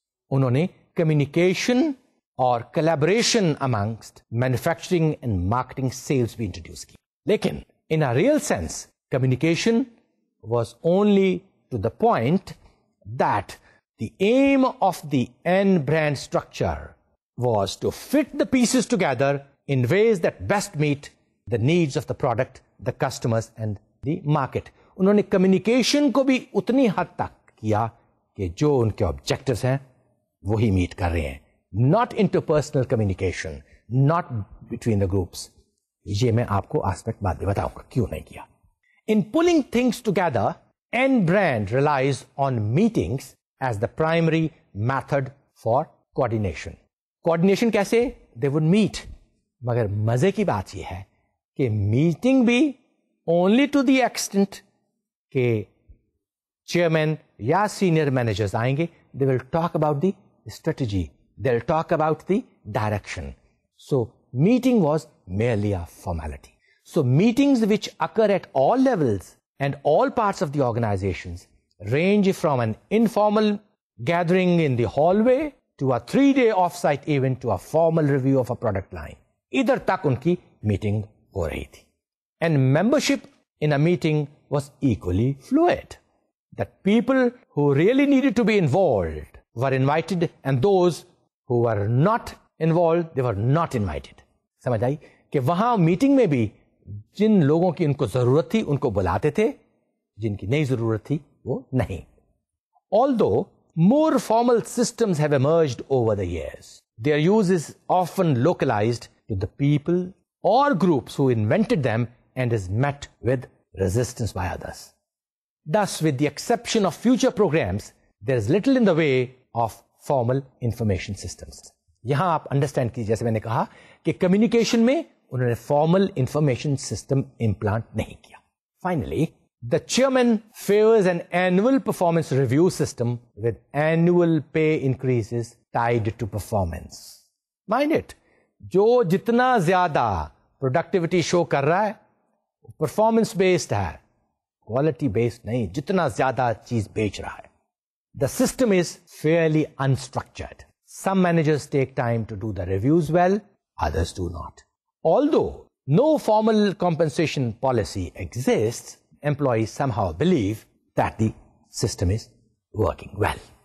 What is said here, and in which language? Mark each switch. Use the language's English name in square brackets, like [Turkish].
[Urdu] Unhone [English] communication or collaboration amongst manufacturing and marketing sales [Urdu] bhi introduce ki, lekin [English] in a real sense communication was only to the point that the aim of the N brand structure was to fit the pieces together in ways that best meet the needs of the product, the customers and the market. [Urdu] انہوں نے communication کو بھی اتنی حد تک کیا کہ جو ان کے آبجیکٹوز ہیں وہی میٹ کر رہے ہیں. [English] Not interpersonal communication, not between the groups. [Urdu] یہ میں آپ کو آسپیکٹ بعد میں بتاؤں گا کیوں نہیں کیا. [English] In pulling things together and brand relies on meetings as the primary method for coordination. Coordination کیسے؟ They would meet. [Urdu] مگر مزے کی بات یہ ہے کہ میٹنگ بھی [English] only to the extent کہ chairman یا senior managers [Urdu] آئیں گے, [English] They will talk about the strategy, they will talk about the direction. So meeting was merely a formality. So meetings which occur at all levels and all parts of the organizations range from an informal gathering in the hallway to a three day off site event to a formal review of a product line. [Urdu] ادھر تک ان کی meeting ہو رہی تھی. [English] And membership in a meeting was equally fluid. That people who really needed to be involved were invited and those who were not involved, they were not invited. [Urdu] سمجھ آئی کہ وہاں meeting میں بھی جن لوگوں کی ان کو ضرورت تھی ان کو بلاتے تھے, جن کی نئی ضرورت تھی وہ نہیں. [English] Although more formal systems have emerged over the years, their use is often localized to the people or groups who invented them and is met with resistance by others. Thus, with the exception of future programs, there is little in the way of formal information systems. [Urdu] یہاں آپ understand کیجیے, جیسے میں نے کہا کہ communication میں انہوں نے [English] formal information system implant [Urdu] نہیں کیا. [English] Finally, the chairman favors an annual performance review system with annual pay increases tied to performance. Mind it, [Urdu] جو جتنا زیادہ productivity show کر رہا ہے performance based ہے, quality based نہیں, جتنا زیادہ چیز بیچ رہا ہے. [English] The system is fairly unstructured. Some managers take time to do the reviews well, others do not. Although no formal compensation policy exists, employees somehow believe that the system is working well.